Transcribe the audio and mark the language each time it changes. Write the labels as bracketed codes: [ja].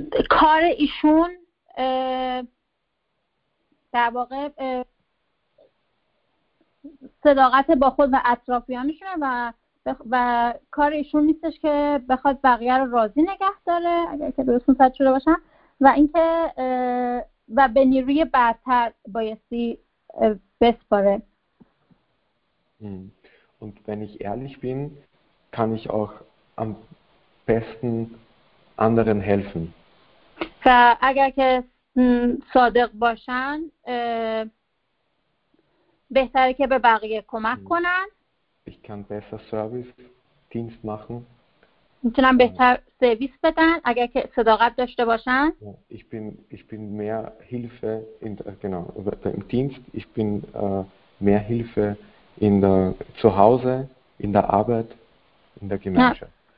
[fa] کار ایشون در واقع صداقت با خود و اطرافیانشونه و کار ایشون نیستش که بخواد بقیه رو راضی نگه داره اگر که درست متوجه شده باشم و اینکه و به نیروی برتر بایستی بسپاره. [de] Und wenn ich ehrlich bin, kann ich auch am besten anderen helfen. [fa] و اگر که صادق باشن بهتره که به بقیه کمک کنن. [de] Ich kann besser Service, Dienst machen. [fa] میتونن بهتر سرویس بدن اگر که صداقت داشته باشن. [de] Ich bin mehr Hilfe in genau im Dienst. Ich bin mehr Hilfe in der zu Hause, in der Arbeit, in der Gemeinschaft.